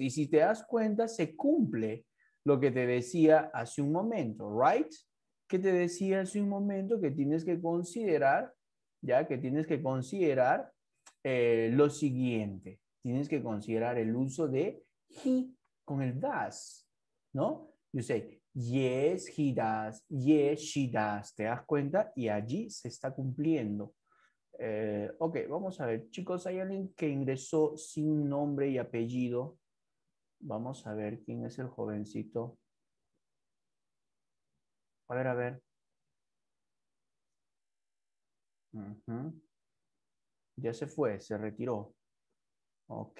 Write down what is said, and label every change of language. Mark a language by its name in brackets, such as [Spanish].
[Spanish] Y si te das cuenta, se cumple lo que te decía hace un momento, [English] right? [Spanish] Que te decía hace un momento que tienes que considerar, ya, que tienes que considerar lo siguiente. Tienes que considerar el uso de he con el does, ¿no? [English] You say, yes, he does, yes, she does. [Spanish] ¿Te das cuenta? Y allí se está cumpliendo. Ok, vamos a ver. Chicos, ¿hay alguien que ingresó sin nombre y apellido? Vamos a ver quién es el jovencito. A ver, a ver. Uh-huh. Ya se fue, se retiró. Ok.